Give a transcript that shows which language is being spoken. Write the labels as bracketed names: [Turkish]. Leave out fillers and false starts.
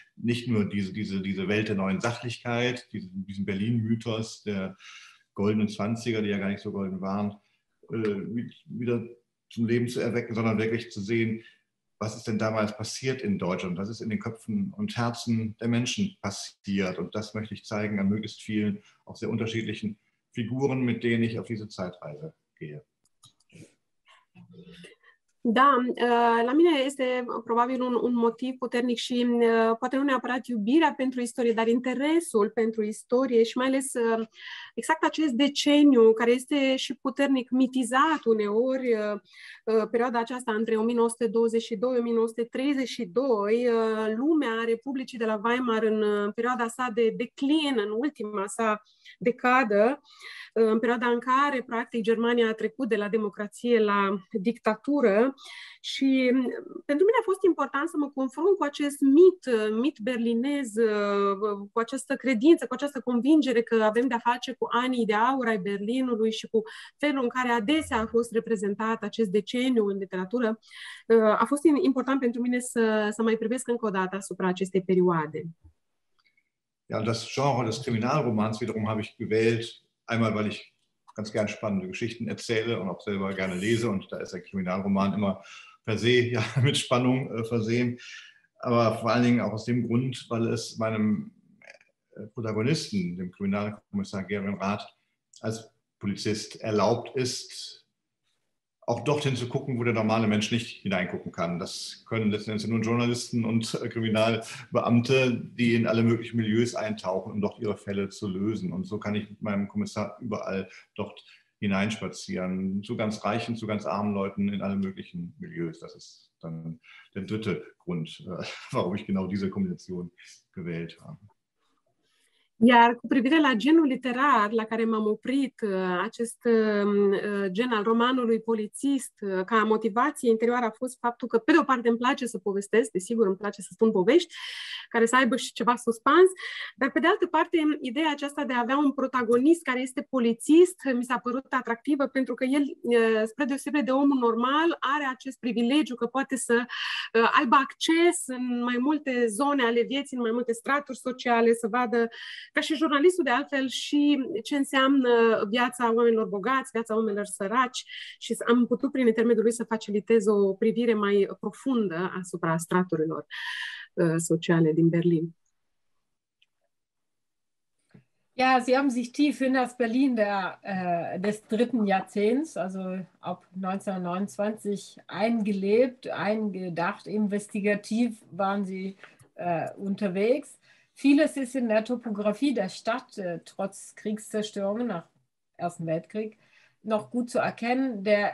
[German] Nicht nur diese Welt der neuen Sachlichkeit, diesen Berlin-Mythos der goldenen 20er, die ja gar nicht so golden waren, wieder zum Leben zu erwecken, sondern wirklich zu sehen, was ist denn damals passiert in Deutschland, was ist in den Köpfen und Herzen der Menschen passiert. Und das möchte ich zeigen an möglichst vielen, auch sehr unterschiedlichen Figuren, mit denen ich auf diese Zeitreise gehe. [Romanian] Da, la mine este probabil un motiv puternic și poate nu neapărat iubirea pentru istorie, dar interesul pentru istorie și mai ales exact acest deceniu care este și puternic mitizat uneori, perioada aceasta între 1922-1932, lumea Republicii de la Weimar în perioada sa de declin, în ultima sa decadă, în perioada în care, practic, Germania a trecut de la democrație la dictatură. Și pentru mine a fost important să mă confrunt cu acest mit berlinez, cu această credință, cu această convingere că avem de-a face cu anii de aur ai Berlinului și cu felul în care adesea a fost reprezentat acest deceniu în literatură. A fost important pentru mine să mai privesc încă o dată asupra acestei perioade. [German] Ja, das Genre des Kriminalromans wiederum habe ich gewählt, einmal weil ich ganz gern spannende Geschichten erzähle und auch selber gerne lese. Und da ist der Kriminalroman immer per se ja mit Spannung versehen. Aber vor allen Dingen auch aus dem Grund, weil es meinem Protagonisten, dem Kriminalkommissar Gerwin Rath, als Polizist erlaubt ist, auch dorthin zu gucken, wo der normale Mensch nicht hineingucken kann. Das können letztendlich nur Journalisten und Kriminalbeamte, die in alle möglichen Milieus eintauchen, um dort ihre Fälle zu lösen. Und so kann ich mit meinem Kommissar überall dort hineinspazieren, zu ganz reichen, zu ganz armen Leuten in alle möglichen Milieus. Das ist dann der dritte Grund, warum ich genau diese Kombination gewählt habe. [Romanian] Iar cu privire la genul literar la care m-am oprit, acest gen al romanului polițist, ca motivație interioară a fost faptul că, pe de o parte, îmi place să povestesc, desigur îmi place să spun povești care să aibă și ceva suspans, dar, pe de altă parte, ideea aceasta de a avea un protagonist care este polițist mi s-a părut atractivă pentru că el, spre deosebire de omul normal, are acest privilegiu că poate să aibă acces în mai multe zone ale vieții, în mai multe straturi sociale, să vadă ca și jurnalistul de altfel și ce înseamnă viața oamenilor bogați, viața oamenilor săraci și am putut prin intermediul lui să facilitez o privire mai profundă asupra straturilor sociale din Berlin. [German] Ja, Sie haben sich tief in das Berlin des dritten Jahrzehnts, also ab 1929, eingelebt, eingedacht, investigativ waren Sie unterwegs. Vieles ist in der Topografie der Stadt, trotz Kriegszerstörungen nach dem Ersten Weltkrieg, noch gut zu erkennen.